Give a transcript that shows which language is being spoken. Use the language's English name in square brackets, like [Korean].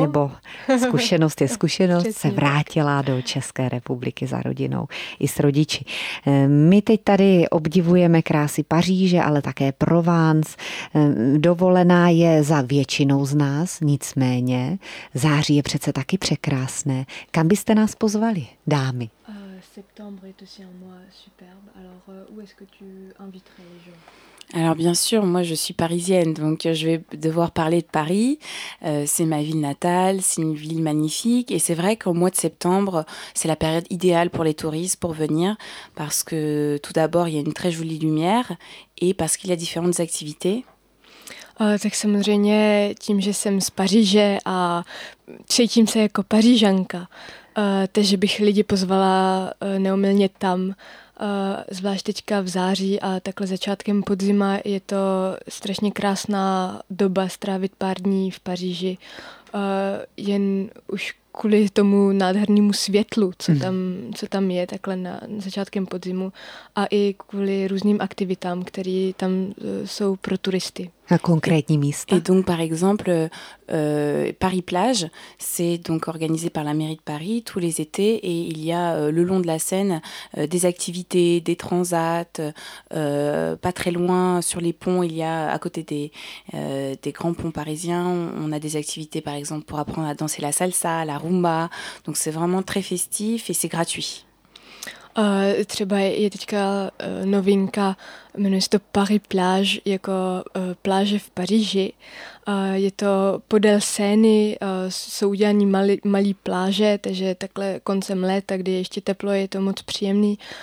[Czech] Nebo zkušenost je zkušenost, se vrátila do České republiky za rodinou i s rodiči. My teď tady obdivujeme krásy Paříže, ale také Provence. Dovolená je za většinou z nás, nicméně září je přece taky překrásné. Kam byste nás pozvali, dámy? [French] September est aussi un mois superbe. Alors où est-ce que tu inviterais les gens? Alors bien sûr, moi je suis parisienne, donc je vais devoir parler de Paris. C'est ma ville natale, c'est une ville magnifique. Et c'est vrai qu'au mois de septembre, c'est la période idéale pour les touristes pour venir. Parce que tout d'abord, il y a une très jolie lumière et parce qu'il y a différentes activités. [Czech] Tak samozřejmě tím, že jsem z Paříže a cítím se jako Pařížanka, takže bych lidi pozvala neomylně tam. Zvlášť teďka v září a takhle začátkem podzima je to strašně krásná doba strávit pár dní v Paříži. Jen už kvůli tomu nádhernému světlu, co tam je takhle na začátkem podzimu a i kvůli různým aktivitám, které tam jsou pro turisty. A konkrétní místa. [French] Et donc par exemple Paris plage, c'est donc organisé par la mairie de Paris tous les étés et il y a le long de la Seine des activités, des transats, pas très loin sur les ponts, il y a à côté des grands ponts parisiens, on a des activités par exemple pour apprendre à danser la salsa, la rumba. Donc c'est vraiment très festif et c'est gratuit. [Czech] Třeba je teďka novinka, jmenuje se to Paris Plage, jako pláže v Paříži. Je to podél Seiny, jsou udělané malé pláže, takže takhle koncem léta, kdy je ještě teplo, je to moc příjemný.